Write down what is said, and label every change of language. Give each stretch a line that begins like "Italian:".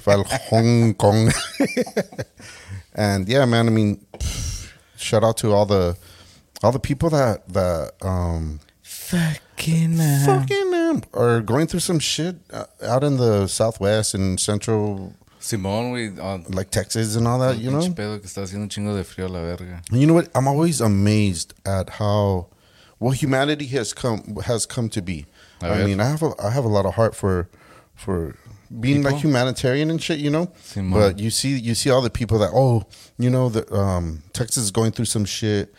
Spanish: Fue al Hong Kong.
English: And, yeah, man, I mean, shout out to all the people that fucking are going through some shit out in the Southwest and Central
Spanish: Simón, we
English: like Texas and all that, you know.
Spanish: Pedo que está haciendo un chingo de frío la verga.
English: And you know what? I'm always amazed at how humanity has come to be. I have a lot of heart for being people? Like humanitarian and shit, you know. Simón. But you see all the people that, oh, you know, that Texas is going through some shit.